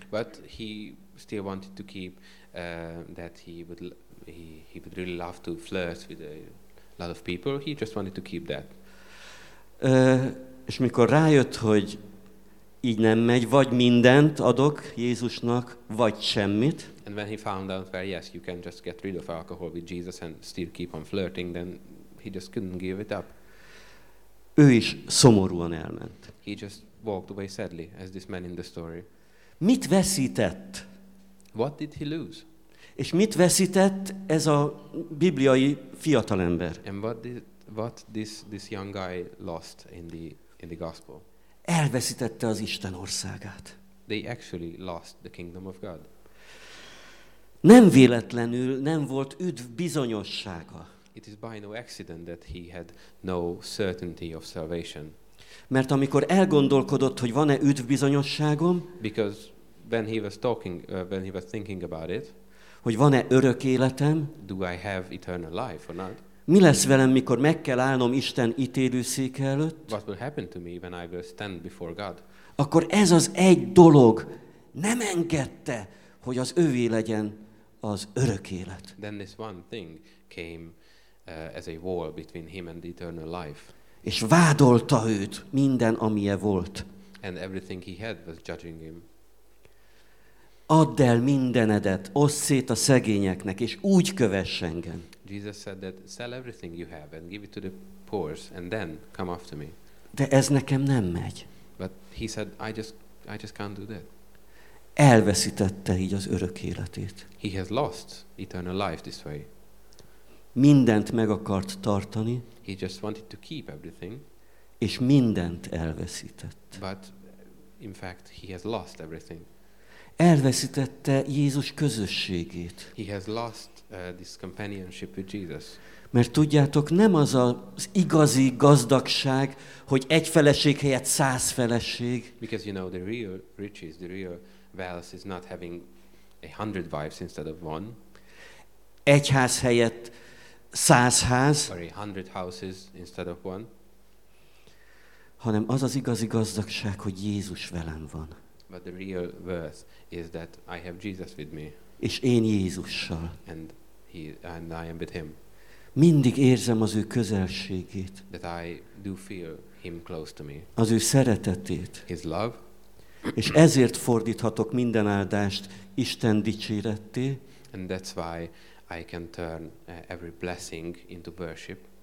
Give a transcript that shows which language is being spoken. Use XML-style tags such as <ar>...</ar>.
<en>But he still wanted to keep that he would really love to flirt with a lot of people. He just wanted to keep that.</en> <hu>És mikor rájött, hogy így nem megy, vagy mindent adok Jézusnak, vagy semmit.</hu> <en>And when he found out, well, yes, you can just get rid of alcohol with Jesus and still keep on flirting, then he just couldn't give it up.</en> <hu>Ő is szomorúan elment.</hu> <en>He just walked away sadly, as this man in the story.</en> <hu>Mit veszített?</hu> <en>What did he lose?</en> <hu>És mit veszített ez a bibliai fiatalember?</hu> <en>And what this young guy lost in the gospel?</en> <hu>Elveszítette az Isten országát.</hu> <en>They actually lost the kingdom of God.</en> <hu>Nem véletlenül nem volt üdv bizonyossága.</hu> <en>It is by no accident that he had no certainty of salvation.</en> <hu>Mert amikor elgondolkodott, hogy van-e üdv bizonyosságom,</hu> <en>because when he was talking, when he was thinking about it,</en> <hu>hogy van-e örök életem,</hu> <en>do I have eternal life or not?</en> <hu>Mi lesz velem, mikor meg kell állnom Isten ítélőszéke előtt?</hu> <en>What will happen to me when I will stand before God?</en> <hu>Akkor ez az egy dolog nem engedte, hogy az övé legyen az örök élet.</hu> <en>Then this one thing came as a wall between him and the eternal life.</en> <hu>És vádolta őt minden, amilyen volt.</hu> <en>And everything he had was judging him.</en> <hu>Add el mindenedet, oszd szét a szegényeknek, és úgy kövess engem.</hu> <en>Jesus said that sell everything you have and give it to the poor and then come after me.</en> <hu>De ez nekem nem megy.</hu> <en>But he said I just can't do that.</en> <hu>Elveszítette így az örök életét.</hu> <en>He has lost eternal life this way.</en> <hu>Mindent meg akart tartani.</hu> <en>He just wanted to keep everything.</en> <hu>És mindent elveszített.</hu> <en>But in fact he has lost everything.</en> <hu>Elveszítette Jézus közösségét.</hu> <en>He has lost this companionship with Jesus.</en> <hu>Mert tudjátok, nem az az igazi gazdagság, hogy egy feleség helyett 100 feleség.</hu> <en>Because you know the real riches, the real wealth is not having 100 wives instead of one.</en> <hu>Egy ház helyett 100 ház.</hu> <en>Or 100 houses instead of one.</en> <hu>Hanem az az igazi gazdagság, hogy Jézus velem van.</hu> <en>But the real worth is that I have Jesus with me.</en> <hu>És én Jézussal.</hu> <en>And I am with him.</en> <hu>Mindig érzem az ő közelségét.</hu> <en>That I do feel him close to me.</en> <hu>Az ő szeretetét.</hu> <en>His love.</en> <hu>És ezért fordíthatok minden áldást Isten dicséretté.</hu> <en>And that's why I can turn every blessing into worship.</en>